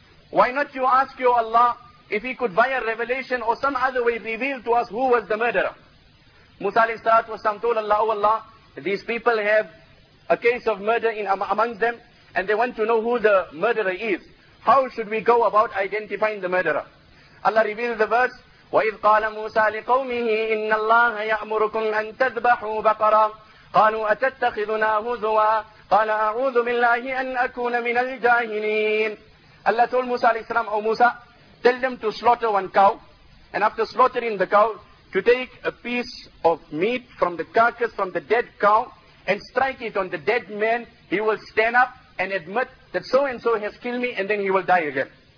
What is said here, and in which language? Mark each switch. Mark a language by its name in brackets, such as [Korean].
[English] Why not you ask your Allah if he could via revelation or some other way reveal to us who was the murderer? Musa alayhi salatu wasalam told Allah, oh Allah, these people have a case of murder amongst them and they want to know who the murderer is. How should we go about identifying the murderer? Allah reveals the verse, [Arabic] وَإِذْ قَالَ مُوسَى لِقَوْمِهِ إِنَّ اللَّهَ يَأْمُرُكُمْ أَن تَذْبَحُوا بَقَرًا قَالُوا أَتَتَّخِذُنَا هُزُوًا قَالَ أَعُوذُ بِاللَّهِ أَنْ أَكُونَ مِنَ الْجَاهِلِينَ. [English] Allah told Musa alayhi salam, oh Musa, tell them to slaughter one cow, and after slaughtering the cow, to take a piece of meat from the carcass, from the dead cow, and strike it on the dead man. He will stand up and admit that so and so has killed me, and then he will die again.